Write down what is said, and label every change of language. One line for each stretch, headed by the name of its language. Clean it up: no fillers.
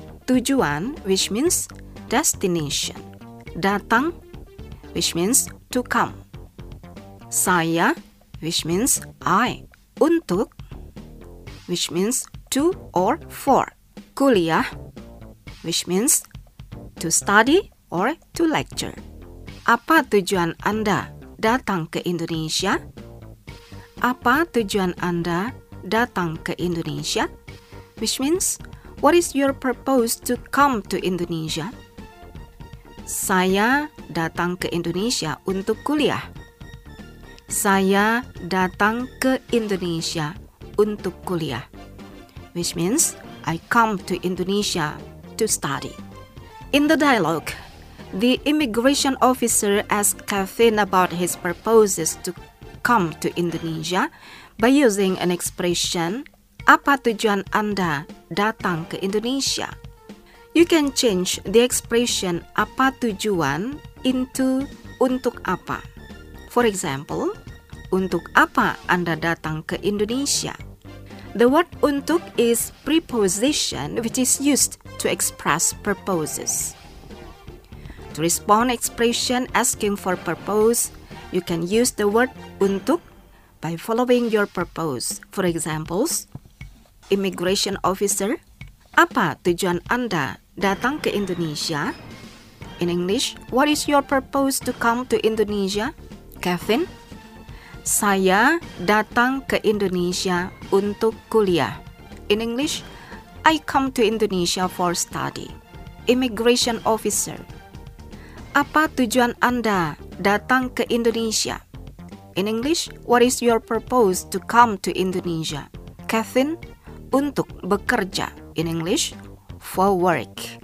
English: Tujuan, which means destination. Datang, which means to come. Saya, which means I. Untuk, which means to or for. Kuliah, which means to study or to lecture.
Indonesian: Apa tujuan Anda datang ke Indonesia? Apa tujuan Anda datang ke Indonesia?
English: Which means, what is your purpose to come to Indonesia?
Indonesian: Saya datang ke Indonesia untuk kuliah. Saya datang ke Indonesia untuk kuliah.
English: Which means, I come to Indonesia to study. In the dialogue, the immigration officer asked Kevin about his purposes to come to Indonesia by using an expression,
Indonesian: apa tujuan Anda datang ke Indonesia?
English: You can change the expression
Indonesian: apa tujuan
English: into
Indonesian: untuk apa.
English: For example,
Indonesian: untuk apa Anda datang ke Indonesia?
English: The word untuk is preposition, which is used to express purposes. To respond expression asking for purpose, you can use the word untuk by following your purpose. For examples, immigration officer,
Indonesian: apa tujuan Anda datang ke Indonesia?
English: In English, what is your purpose to come to Indonesia?
Indonesian: Kevin, saya datang ke Indonesia untuk kuliah.
English: In English, I come to Indonesia for study. Immigration officer,
Indonesian: apa tujuan Anda datang ke Indonesia?
English: In English, what is your purpose to come to Indonesia? Kevin,
Indonesian: untuk bekerja.
English: In English, for work.